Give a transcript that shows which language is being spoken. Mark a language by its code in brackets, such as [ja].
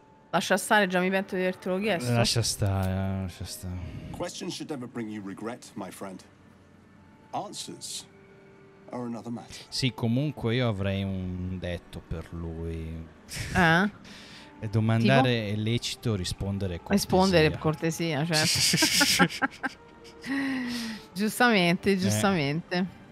[it] Lascia stare, già mi pento di avertelo chiesto. Lascia stare. [en] Questions should never bring you regret, my friend. Answers are another matter. [it] Sì, comunque io avrei un detto per lui. Eh? E domandare tipo? È lecito, rispondere cortesia. Rispondere cortesia, cioè. giustamente.